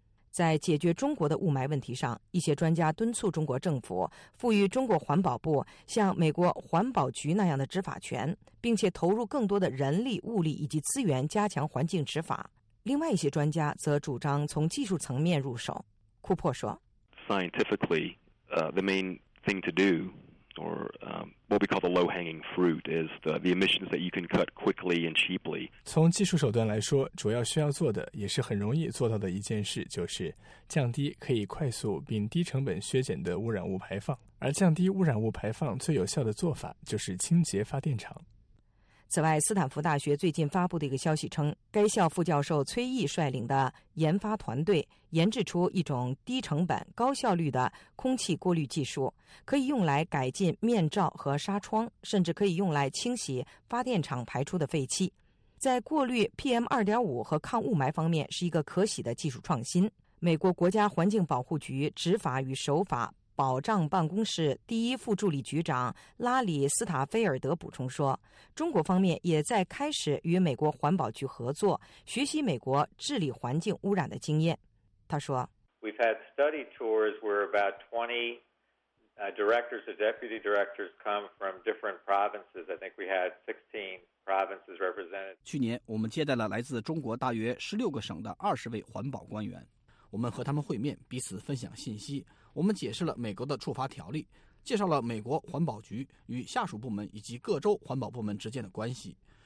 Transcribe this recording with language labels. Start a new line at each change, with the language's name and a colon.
Chinese: 在解决中国的雾霾问题上，一些专家敦促中国政府赋予中国环保部像美国环保局那样的执法权，并且投入更多的人力、物力以及资源加强环境执法。另外一些专家则主张从技术层面入手。库珀说
English: ：“Scientifically, the main thing to do, or what we call the low-hanging fruit, is the emissions that you can cut quickly and cheaply。
Chinese: 从技术手段来说，主要需要做的也是很容易做到的一件事，就是降低可以快速并低成本削减的污染物排放。而降低污染物排放最有效的做法就是清洁发电厂。” 此外，斯坦福大学最近发布的一个消息称，该校副教授崔毅率领的研发团队研制出一种低成本、高效率的空气过滤技术，可以用来改进面罩和纱窗，甚至可以用来清洗发电厂排出的废气。在过滤 PM2.5 和抗雾霾方面是一个可喜的技术创新。美国国家环境保护局执法与守法保障办公室第一副助理局长拉里·斯塔菲尔德补充说，中国方面也在开始与美国环保局合作，学习美国治理环境污染的经验。他说
English: We've had study tours where about 20 directors or deputy directors come from different provinces. I think we had 16 provinces represented.
Chinese: 去年我们接待了来自中国大约16个省的20位环保官员，我们和他们会面，彼此分享信息。我们解释了美国的处罚条例，介绍了美国环保局与下属部门以及各州环保部门之间的关系。